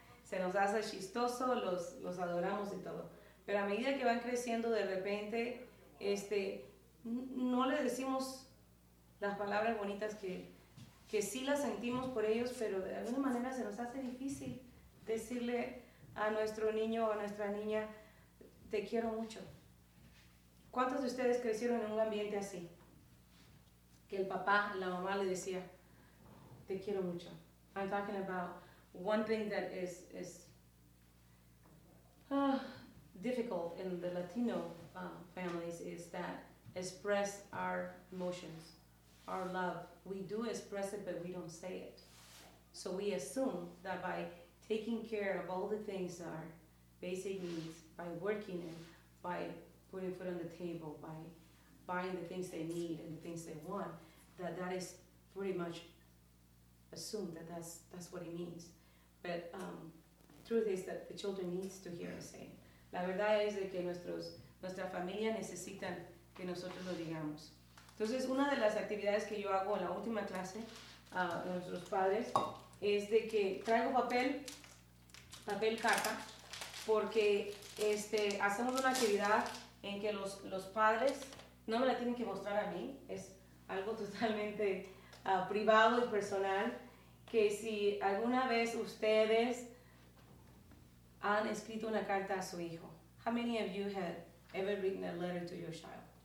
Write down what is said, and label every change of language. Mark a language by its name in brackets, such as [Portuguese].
[Spanish] Se nos hace chistoso, los adoramos y todo. Pero a medida que van creciendo, de repente, no le decimos las palabras bonitas que sí las sentimos por ellos, pero de alguna manera se nos hace difícil decirle a nuestro niño o a nuestra niña, te quiero mucho. ¿Cuántos de ustedes crecieron en un ambiente así? Que el papá, la mamá le decía, te quiero mucho. [English] I'm talking about one thing that is difficult in the Latino families is that express our emotions. Our love, we do express it, but we don't say it. So we assume that by taking care of all the things that are basic needs, by working and by putting food on the table, by buying the things they need and the things they want, that is pretty much assumed that that's what it means. But truth is that the children needs to hear us say it. [Spanish] La verdad es de que nuestra familia necesitan que nosotros lo digamos. Entonces, una de las actividades que yo hago en la última clase a nuestros padres es de que traigo papel carta, porque hacemos una actividad en que los padres no me la tienen que mostrar a mí, es algo totalmente privado y personal, que si alguna vez ustedes han escrito una carta a su hijo. [English] How many of you have ever written a letter to your child?